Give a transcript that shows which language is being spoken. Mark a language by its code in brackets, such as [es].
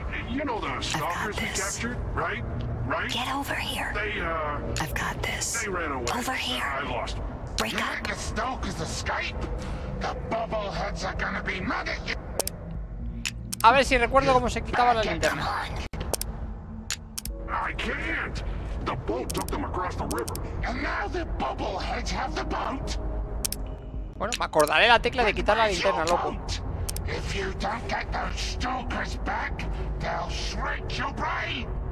[en] You know the stalkers we captured, right? Right? Get over here. I've got this. They ran away. Over here. I lost them. Break up. The stalkers escape. The bubbleheads are gonna be mad at you. [es] A ver si recuerdo cómo se quitaba la linterna. [en] I can't. The boat took them across the river. And now the bubbleheads have the boat. [es] Bueno, me acordaré la tecla de quitar la linterna, loco. [en] If you don't get those stalkers back, they'll shrink your brain.